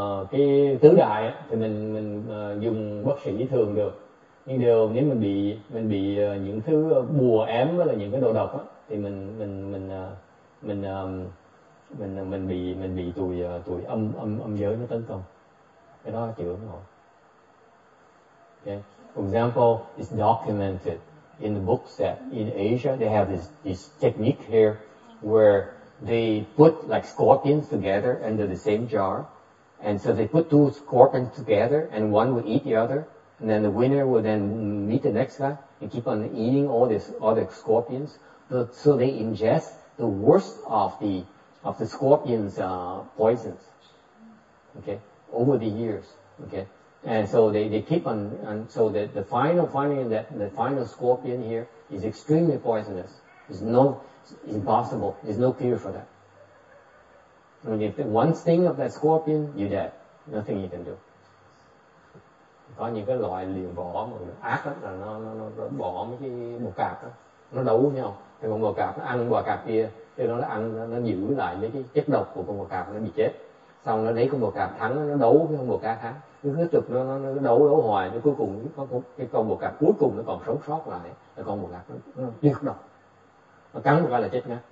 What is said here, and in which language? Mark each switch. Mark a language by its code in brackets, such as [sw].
[vi] Cái tứ đại thì mình dùng bác sĩ thường được. Nhưng điều nếu mình bị những thứ bùa ém với là những cái đồ độc á thì mình bị tụi âm giới nó tấn công, cái đó chữa không nổi. [en] Okay. For example, it's documented in the books that in Asia they have this technique here where they put like scorpions together under the same jar, and so they put two scorpions together and one would eat the other, and then the winner would then meet the next guy and keep on eating all these other scorpions, so they ingest the worst of the scorpions' poisons, okay, over the years, okay, And so they keep on, and so the final finding that the final scorpion here is extremely poisonous. It's no, it's impossible. There's no cure for that. And if one sting of that scorpion, you're dead. Nothing you can do. [vi] Có những cái loại liều bỏ mà ác là nó bỏ mấy cái bọ cạp đó, nó đấu với nhau. Thì con bọ cạp nó ăn bọ cạp kia, thì nó ăn nó giữ lại mấy cái chất độc của con bọ cạp nó bị chết. Xong nó lấy con bọ cạp thắng, nó đấu với con bọ cạp khác. Cứ tiếp tục nó đấu hoài, nó cuối cùng cái con bọ cạp cuối cùng nó còn sống sót lại là con bọ cạp nó chất độc. Nó cắn một cái là chết ngay.